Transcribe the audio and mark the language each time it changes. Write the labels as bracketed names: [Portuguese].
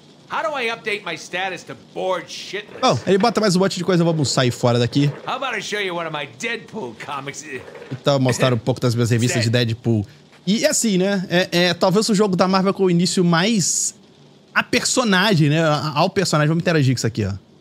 [English] How do I update my status to bored shitless? [Portuguese] Bom, ele bota mais um monte de coisa, vamos sair fora daqui. [English] How about I show you one of my Deadpool comics? [Portuguese] Então, mostrar um pouco das minhas revistas de Deadpool. E assim, né? É talvez o jogo da Marvel com o início mais a personagem, né? Ao personagem. Vamos interagir com isso aqui, ó.